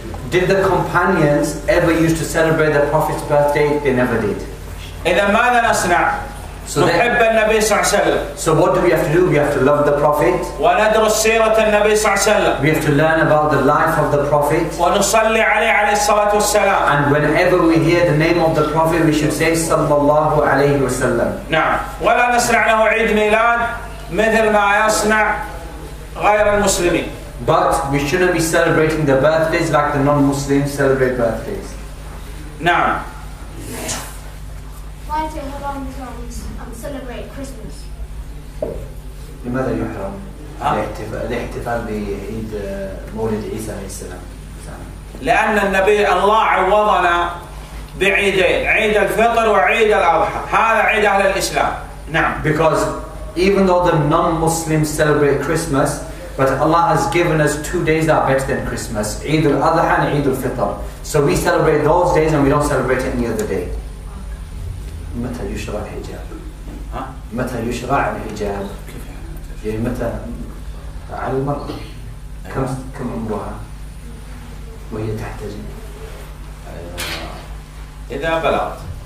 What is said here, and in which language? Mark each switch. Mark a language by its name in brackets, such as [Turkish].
[English] Did the companions ever used to celebrate the Prophet's birthday? They never did. [Arabic] إذا ماذا نصنع؟ نحب النبي صلى الله عليه وسلم. [English] So what do we have to do? We have to love the Prophet. [Arabic] وندرس سيرة النبي صلى الله عليه وسلم. [English] We have to learn about the life of the Prophet. [Arabic] ونصلي عليه عليه الصلاة والسلام. [English] And whenever we hear the name of the Prophet, we should say [Arabic] صلى الله عليه وسلم. نعم. ولا نصنع له عيد ميلاد مثل ما يصنع غير المسلمين. [English] But we shouldn't be celebrating the birthdays like the non-Muslims celebrate birthdays. Now, why do Muslims celebrate Christmas? [Arabic] لماذا يحرم الاحتفال بعيد مولد عيسى عليه السلام؟ لأن النبي الله عوضنا بعيدين، عيد الفطر وعيد الأضحى. هذا عيد أهل الإسلام. نعم. [English] Because even though the non-Muslims celebrate Christmas, but Allah has given us 2 days that are better than Christmas, Eid al-Adha and Eid al-Fitr. So we celebrate those days and we don't celebrate any other day. [Arabic] متى يشرع الحجاب؟ متى يشرع الحجاب؟ يعني متى على المرأة؟ كم عمرها؟ وهي تحتجب؟ إذا بلغت.